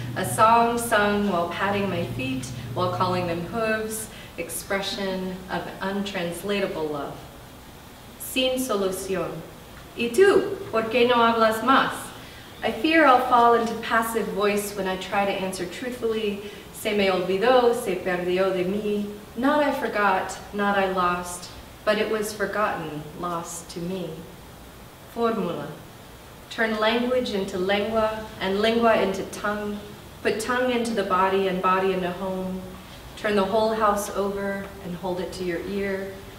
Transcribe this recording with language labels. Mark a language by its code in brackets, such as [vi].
[en] A song sung while patting my feet, while calling them hooves. Expression of untranslatable love. [es] Sin solución. ¿Y tú? ¿Por qué no hablas más? [en] I fear I'll fall into passive voice when I try to answer truthfully. [es] Se me olvidó, se perdió de mí. [en] Not I forgot, not I lost, but it was forgotten, lost to me. Fórmula. Turn language into lengua, and lengua into tongue. Put tongue into the body, and body into home. Turn the whole house over, and hold it to your ear.